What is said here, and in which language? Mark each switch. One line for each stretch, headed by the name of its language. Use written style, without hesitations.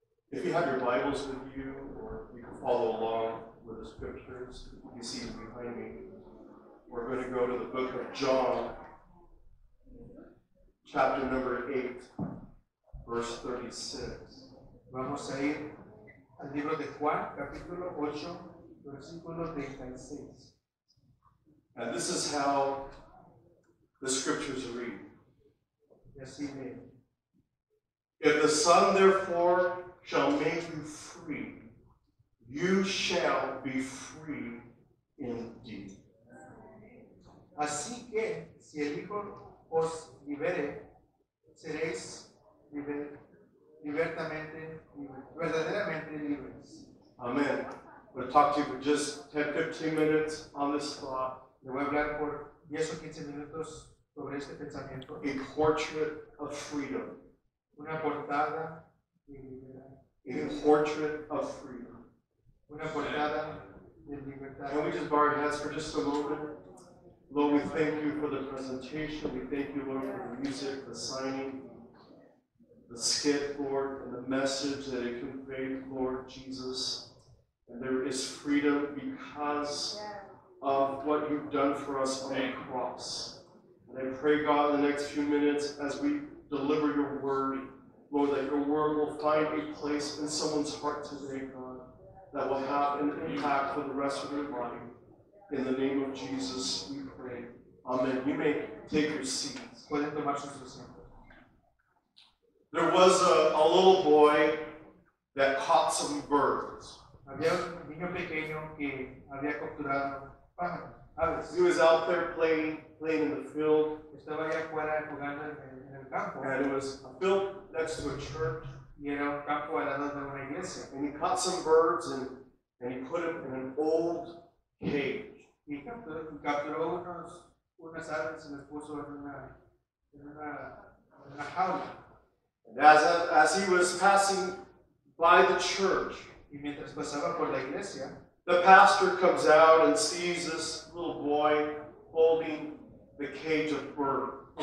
English: Bibles with you, or you can follow along with the scriptures you see behind me. We're going to go to the book of John, chapter number 8, verse 36.
Spanish: Vamos a ir al libro de Juan, capítulo 8, versículo 36.
English: And this is how the scriptures read. Yes, amen. If the Son, therefore, shall make you free, you shall be free indeed.
Spanish: Así que, si el Hijo os libere, seréis verdaderamente libres.
English: Amen. I'm going to talk to you for just 10, 15 minutes on this thought.
Spanish: Le voy a hablar por 10 o 15 minutos sobre este pensamiento.
English: A portrait of freedom.
Spanish: Una portada de libertad.
English: A portrait of freedom.
Spanish: Una portada de libertad.
English: Can we just bow our heads for just a moment? Lord, we thank you for the presentation. We thank you, Lord, for the music, the signing, the skit, Lord, and the message that it conveyed, Lord Jesus. And there is freedom because of what you've done for us on the cross. And I pray, God, in the next few minutes, as we deliver your word, Lord, that your word will find a place in someone's heart today, God, that will have an impact for the rest of their life. In the name of Jesus, we pray. Amen. You may take your seats.
Spanish: Pueden tomar sus asientos.
English: There was a little boy that caught some birds.
Spanish: Había un niño pequeño que había capturado aves.
English: He was out there playing in the field.
Spanish: Estaba allá afuera jugando en el campo.
English: And it was a field next to a church. You know,
Spanish: campo al lado de una iglesia.
English: And he caught some birds and he put them in an old cage.
Spanish: Y capturó unas aves y las puso en una jaula.
English: And as he was passing by the church,
Spanish: y mientras pasaba por la iglesia,
English: the pastor comes out and sees this little boy holding the cage of birds.